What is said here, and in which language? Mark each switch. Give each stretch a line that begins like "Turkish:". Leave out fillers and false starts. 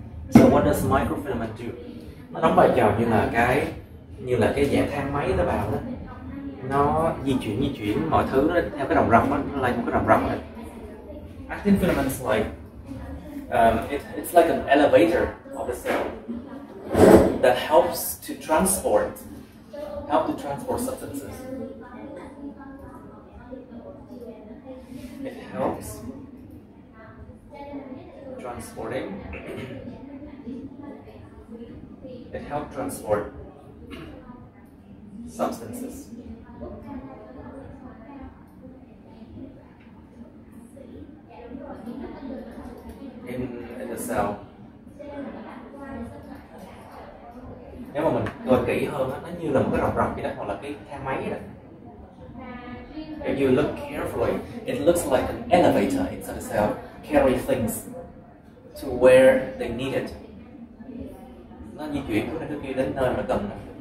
English: So what does microfilament do?
Vietnamese: Nó đóng vai trò như là cái dạng thang máy tế bào đó. Nó di chuyển mọi thứ theo cái rồng rồng đó, nó lên một cái rồng rồng đó.
English: actin filaments like it's like an elevator of the cell that helps to transport substances. It helps transporting. It helps transport substances. In the cell.
Vietnamese: Nếu mà mình coi kỹ hơn nó như là một cái rọc rọc vậy đó, hoặc là cái thang máy vậy đó.
English: If you look carefully, it looks like an elevator inside the cell, carry things to where they need it.
Vietnamese: Nó di chuyển từ đây tới kia đến nơi mà cần nó.